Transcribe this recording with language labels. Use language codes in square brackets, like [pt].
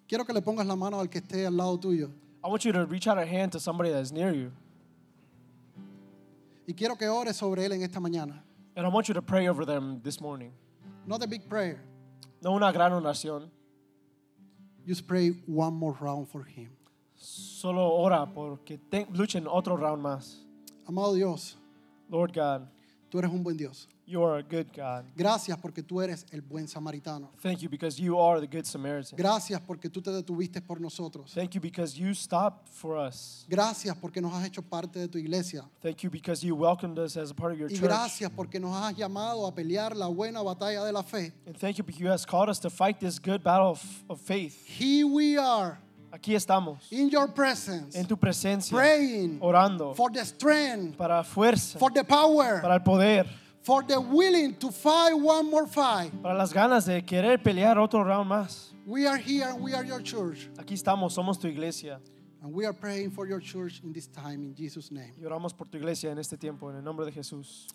[es] Quiero que le pongas la mano al que esté al lado tuyo. [en] I want you to reach out a hand to somebody that is near you. [es] Y quiero que ores sobre él en esta mañana. [en] And I want you to pray over them this morning. Not a big prayer. [es] No una gran oración. [en] Just pray one more round for him. [es] Solo ora porque luchen otro round más. Amado Dios. [en] Lord God. [es] Tú eres un buen Dios. [en] You are a good God. [es] Gracias porque tú eres el buen samaritano. [en] Thank you because you are the good Samaritan. [es] Gracias porque tú te detuviste por nosotros. [en] Thank you because you stopped for us. [es] Gracias porque nos has hecho parte de tu iglesia. [en] Thank you because you welcomed us as a part of your [es] y [en] church. [es] Y gracias porque nos has llamado a pelear la buena batalla de la fe. [en] And thank you because you has called us to fight this good battle of faith. Here we are. [es] Aquí estamos. [en] In your presence. [es] En tu presencia. [en] Praying. [es] Orando. [en] For the strength. [es] Para fuerza. [en] For the power. [es] Para el poder. [en] For the willing to fight one more fight. [es] Para las ganas de querer pelear otro round más. [en] We are here and we are your church. [es] Aquí estamos, somos tu iglesia. [en] And we are praying for your church in this time in Jesus' name. [es] Y oramos por tu iglesia en este tiempo en el nombre de Jesús.